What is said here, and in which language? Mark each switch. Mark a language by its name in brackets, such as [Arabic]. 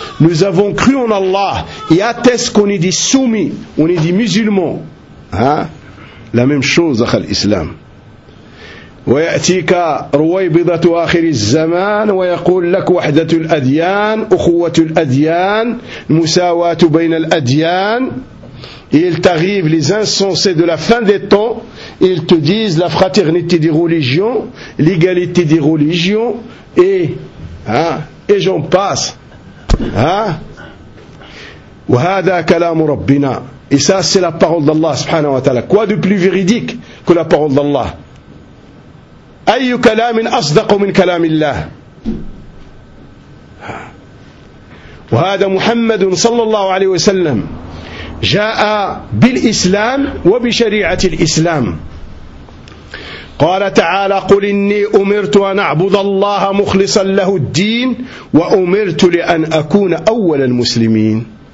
[French] Nous avons cru en Allah et atteste qu'on est des soumis, on est des musulmans. Hein? La même chose à l'islam. [Arabic] ويأتيك رويبضة آخر الزمان ويقول لك وحدة الأديان، أخوة الأديان، مساواة بين الأديان. [French] Ils t'arrivent, les insensés de la fin des temps, ils te disent la fraternité des religions, l'égalité des religions, et j'en passe. [Arabic] وهذا كلام ربنا. [French] Et ça, c'est la parole d'Allah, subhanahu wa ta'ala. Quoi de plus véridique que la parole d'Allah? [Arabic] أي كلام أصدق من كلام الله؟ وهذا محمد صلى الله عليه وسلم جاء بالإسلام وبشريعة الإسلام. قال تعالى قل إني أمرت أن أعبد الله مخلصا له الدين وأمرت لأن أكون أول المسلمين.